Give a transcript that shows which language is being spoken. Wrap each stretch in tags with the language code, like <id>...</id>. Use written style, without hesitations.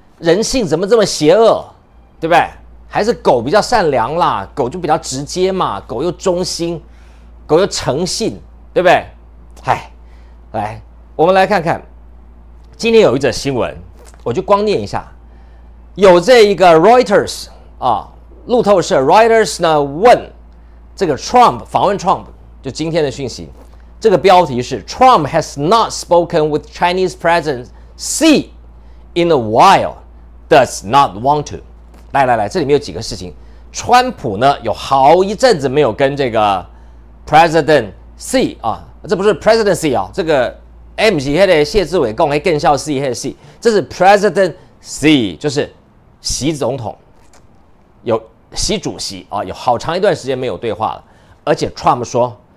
<zh>人性怎么这么邪恶，对不对？还是狗比较善良啦，狗就比较直接嘛，狗又忠心，狗又诚信，对不对？哎，来，我们来看看今天有一则新闻，我就光念一下。有这一个 Reuters 啊，路透社 Reuters 呢问这个 Trump， 访问 Trump， 就今天的讯息，这个标题是</zh> <en>Trump has not spoken with Chinese President Xi in a while, does not want to。</en> <zh>来来来，这里面有几个事情。川普呢有好一阵子没有跟这个 President Xi 啊，这不是 presidency 哦，这个 M 是那个谢志伟讲的更像 C 那个 C， 这是 presidency， 就是习总统，有习主席啊，有好长一段时间没有对话了。而且 Trump 说</zh>